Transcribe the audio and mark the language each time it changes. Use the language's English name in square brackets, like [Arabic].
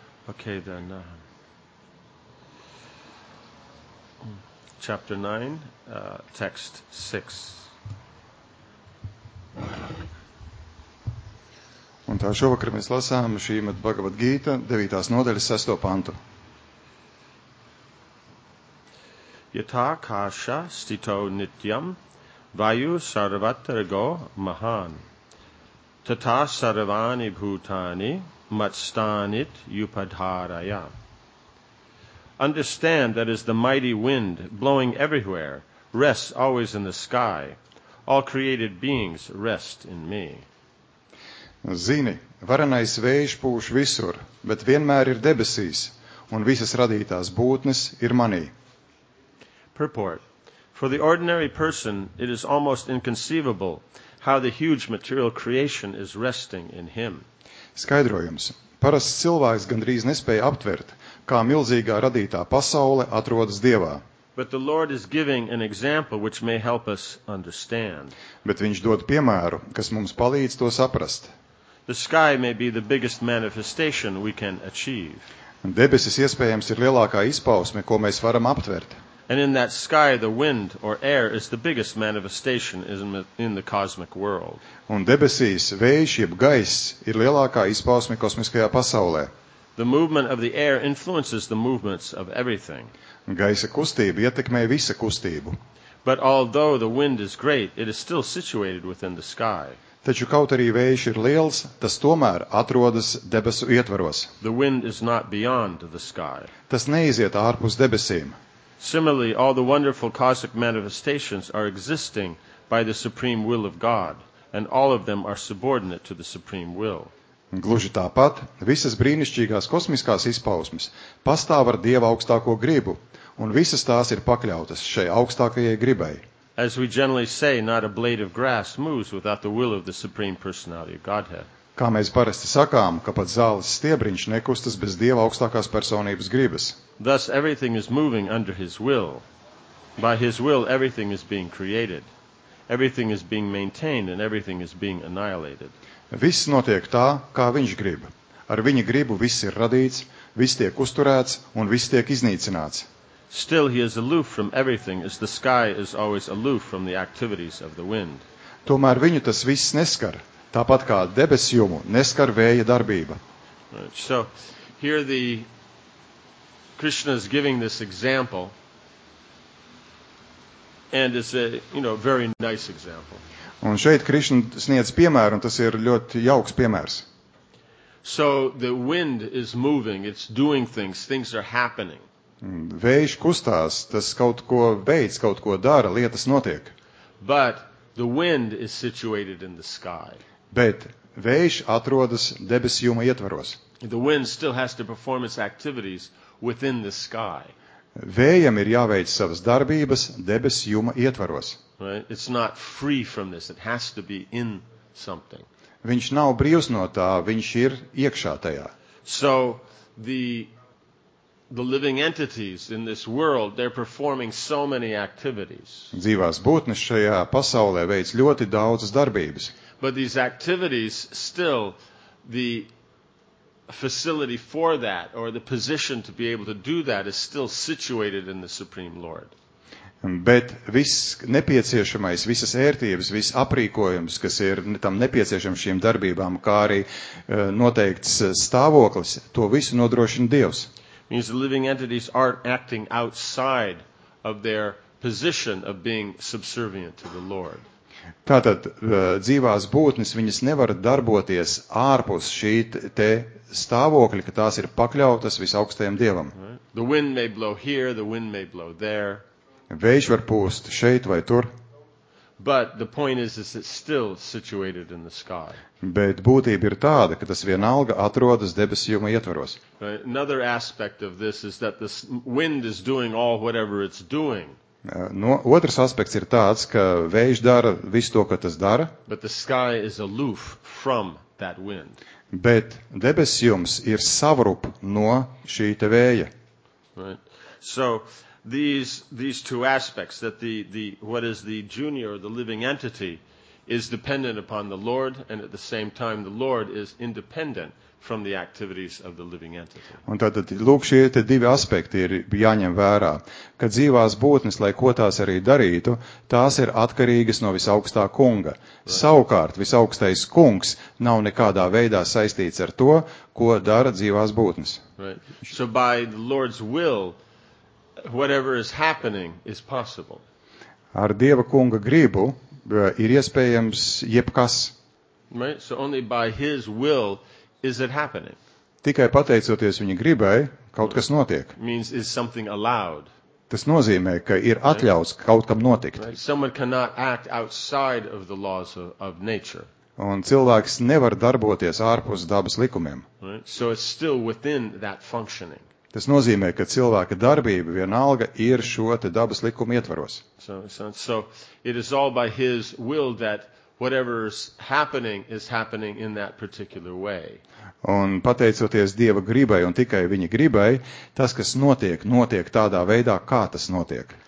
[English] Okay, then, chapter 9, text 6. [Latvian] Un tā šovakar mēs lasām šīmet Bhagavad Gita, 9. nodaļas, 6. pantu. [Sanskrit] Yatā kāśa stito nityam vayu sarvatargo mahān tatā sarvāni bhūtāni matstanit yupadharaya. [English] Understand that as the mighty wind blowing everywhere rests always in the sky, all created beings rest in me. [Latvian] Zini, varanais vējš pūš visur, bet vienmēr ir debesīs, un visas radītās būtnes ir manī. [English] Purport. For the ordinary person, it is almost inconceivable how the huge material creation is resting in him. [Latvian] Skaidrojums. Parasts cilvēks gandrīz nespēja aptvert, kā milzīgā radītā pasaule atrodas Dievā. [English] But the Lord is giving an example which may help us understand. [Latvian] Bet viņš dod piemēru, kas mums palīdz to saprast. [English] The sky may be the biggest manifestation we can achieve. [Latvian] Debesis iespējams ir lielākā izpausme, ko mēs varam aptvert. [English] And in that sky, the wind or air is the biggest manifestation in the cosmic world. [Latvian] Un debesīs, vējš jeb gaiss ir lielākā izpausme kosmiskajā pasaulē. [English] The movement of the air influences the movements of everything. [Latvian] Gaisa kustība ietekmē visu kustību. [English] But although the wind is great, it is still situated within the sky. [Latvian] Taču kaut arī vējš ir liels, tas tomēr atrodas debesu ietvaros. [English] The wind is not beyond the sky. [Latvian] Tas neiziet ārpus debesīm. [English] Similarly, all the wonderful cosmic manifestations are existing by the supreme will of God, and all of them are subordinate to the supreme will. [Latvian] Gluži tāpat, visas brīnišķīgās kosmiskās izpausmes pastāv ar Dieva augstāko gribu, un visas tās ir pakļautas šai augstākajai gribai. [English] As we generally say, not a blade of grass moves without the will of the supreme personality of Godhead. [Latvian] Kā mēs parasti sakām, ka pat zāles stiebriņš nekustas bez Dieva augstākās personības gribas. [English] Thus everything is moving under his will. By his will everything is being created. Everything is being maintained and everything is being annihilated. [Latvian] Viss notiek tā, kā viņš grib. Ar viņa gribu viss ir radīts, viss tiek uzturēts un viss tiek iznīcināts. [English] Still he is aloof from everything as the sky is always aloof from the activities of the wind. [Latvian] Tomēr viņu tas viss neskar. Tāpat kā debesjumu neskar vēja darbība. [English] So, here the Krishna is giving this example. And it's a, you know, very nice example. [Latvian] Un šeit Krišna sniedz piemēru, un tas ir ļoti jauks piemērs. [English] So the wind is moving, it's doing things, things are happening. [Latvian] Vējš kustās, tas kaut ko veic, kaut ko dara, lietas notiek. [English] But the wind is situated in the sky. [Latvian] Bet vējš atrodas debesjuma ietvaros. [English] The wind still has to perform its activities within the sky. [Latvian] Vējam ir jāveic savas darbības debesjuma ietvaros. [English] Right? It's not free from this, it has to be in something. [Latvian] Viņš nav brīvs no tā, viņš ir iekšā tajā. [English] So the living entities in this world, they're performing so many activities. [Latvian] Dzīvās būtnes šajā pasaulē veic ļoti daudzas darbības. [English] But these activities still the facility for that or the position to be able to do that is still situated in the Supreme Lord. [Latvian] Bet viss nepieciešamais, visas ērtības, viss aprīkojums, kas ir tam nepieciešams šīm darbībām, kā arī noteikts stāvoklis, to visu nodrošina Dievs. [English] Means the living entities aren't acting outside of their position of being subservient to the Lord. [Latvian] Tātad dzīvās būtnes, viņas nevar darboties ārpus šī te stāvokļa, ka tās ir pakļautas visaugstajam Dievam. [English] The wind may blow here, the wind may blow there. [Latvian] Vējš var pūst šeit vai tur. [English] But the point is it's still situated in the sky. [Latvian] Bet būtība ir tāda, ka tas vienalga atrodas debesjuma ietvaros. [English] Another aspect of this is that the wind is doing all whatever it's doing. [Latvian] No, otrs aspekts ir tāds, ka vējš dara visu to, ka tas dara. [English] But the sky is aloof from that wind. [Latvian] Bet debesjums ir savrup no šīta vēja. [English] Right. So These two aspects, that the what is the junior, the living entity, is dependent upon the Lord, and at the same time the Lord is independent from the activities of the living entity. [Latvian] Un tātad, lūk, šie te divi aspekti ir jāņem vērā. Kad dzīvās būtnes, lai ko tās arī darītu, tās ir atkarīgas no visaugstā kunga. [English] Right. [Latvian] Savukārt, visaugstais kungs nav nekādā veidā saistīts ar to, ko dara dzīvās būtnes. [English] Right. So by the Lord's will, whatever is happening is possible. [Latvian] Ar Dieva kunga gribu ir iespējams jebkas. [English] Right? So only by his will is it happening. [Latvian] Tikai pateicoties viņa gribai, kaut kas notiek. [English] Means is something allowed. [Latvian] Tas nozīmē, ka ir atļauts kaut kam notikt. [English] Right? Someone cannot act outside of the laws of nature. [Latvian] Un cilvēks nevar darboties ārpus dabas likumiem. [English] Right? So it's still within that functioning. [Latvian] Tas nozīmē, ka cilvēka darbība vienalga ir šo te dabas likuma ietvaros. [English] So it is all by his will that whatever's happening is happening in that particular way. [Latvian] Un pateicoties Dieva gribai un tikai viņa gribai, tas, kas notiek, notiek tādā veidā, kā tas notiek.